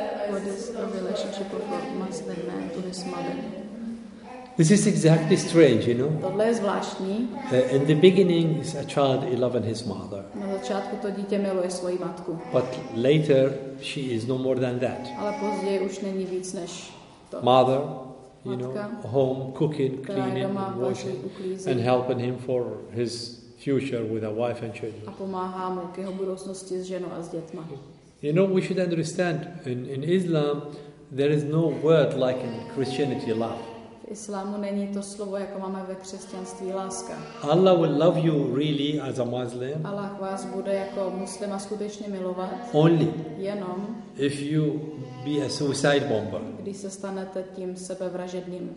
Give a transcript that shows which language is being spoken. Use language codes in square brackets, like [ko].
[en] What is the relationship of Muslim man to his mother? This is exactly strange, you know. [cs] Tohle je zvláštní. [en] In the beginning, a child loves his mother. [cs] Na začátku to dítě miluje svoji matku. [en] But later, she is no more than that. [cs] Ale později už není víc než to. [en] Mother, you [cs] matka, [en] know, home, cooking, cleaning, washing, and helping him for his future with a wife and children. [cs] A pomáhá mu k jeho budoucnosti s ženou a s dětma. [en] You know, we should understand, in Islam, there is no word like in Christianity, love. [cs] islámu není to slovo, jako máme ve křesťanství, láska. [en] Allah will love you really as a Muslim. [cs] Allah vás bude jako muslima skutečně milovat. [en] Only. [cs] Jenom. [en] If you be a suicide bomber. [cs] Když se stanete tím sebevražedným.